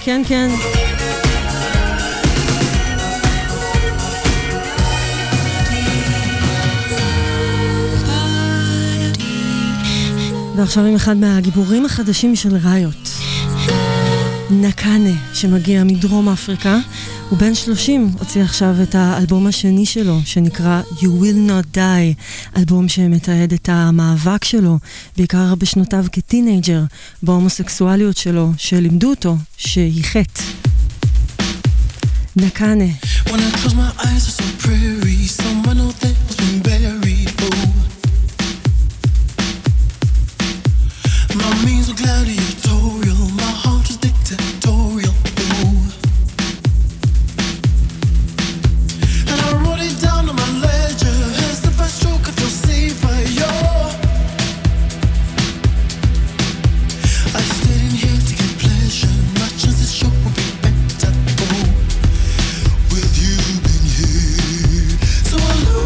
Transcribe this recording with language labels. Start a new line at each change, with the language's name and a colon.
Hebrew: כן כן, ועכשיו עם אחד מהגיבורים החדשים של ריוט, נקנה, שמגיע מדרום אפריקה. הוא בן 30, הוציא עכשיו את האלבום השני שלו, שנקרא You Will Not Die, אלבום שמתעד את המאבק שלו, בעיקר בשנותיו כטינג'ר, בהומוסקסואליות שלו, שלימדו אותו שהיא חטא. נקנה.
English: When I close my eyes, I saw prairie, someone out there was being buried, my means were gladiatorial, my heart was dictatorial, ooh. And I wrote it down on my ledger, here's the first stroke I feel safe by you. I stayed in here to get pleasure, my chances sure will be better, ooh. With you been here, so I